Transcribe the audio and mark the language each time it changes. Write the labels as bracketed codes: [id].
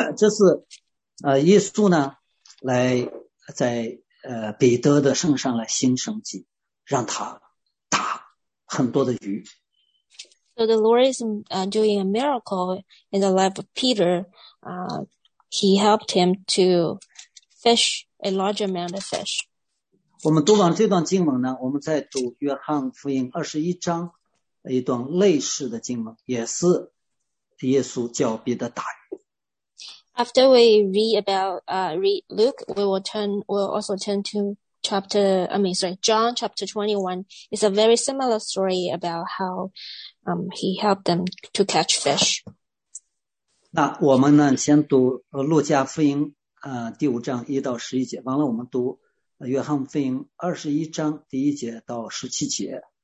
[zh] 这是耶稣呢来在彼得的身上来行神迹，让他打很多的鱼。 [en] So the Lord is doing a miracle in the life of Peter. He helped him to fish. A large amount of fish. [zh] 我们读完这段经文呢，我们再读约翰福音二十一章一段类似的经文，也是耶稣叫彼得打鱼。 [en] After we read about read Luke, we'll also turn to chapter. I mean, sorry, John chapter 21 is a very similar story about how he helped them to catch fish. [zh] 那我们呢，先读路加福音。第五章一到十一节，完了我们读约翰福音二十一章第一节到十七节。